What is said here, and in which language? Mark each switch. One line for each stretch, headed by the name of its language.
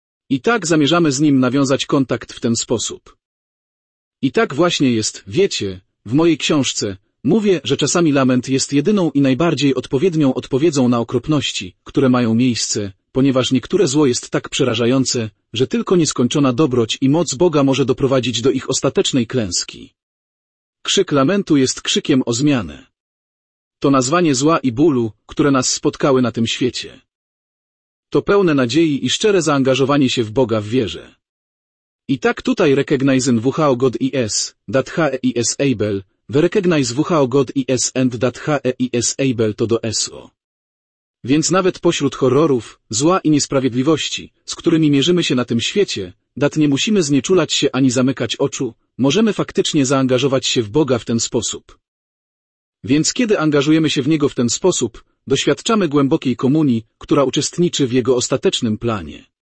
Polish: I tak zamierzamy z Nim nawiązać kontakt w ten sposób. I tak właśnie jest, wiecie, w mojej książce, mówię, że czasami lament jest jedyną i najbardziej odpowiednią odpowiedzią na okropności, które mają miejsce, ponieważ niektóre zło jest tak przerażające, że tylko nieskończona dobroć i moc Boga może doprowadzić do ich ostatecznej klęski. Krzyk lamentu jest krzykiem o zmianę. To nazwanie zła i bólu, które nas spotkały na tym świecie. To pełne nadziei i szczere zaangażowanie się w Boga w wierze. I tak tutaj
English: recognizing who God is, that he is able, we recognize who God is and that he is able to do so.
Polish: Więc nawet pośród horrorów, zła i niesprawiedliwości, z którymi mierzymy się na tym świecie, dat nie musimy znieczulać się ani zamykać oczu, możemy faktycznie zaangażować się w Boga w ten sposób. Więc kiedy angażujemy się w Niego w ten sposób, doświadczamy głębokiej komunii, która uczestniczy w Jego ostatecznym planie.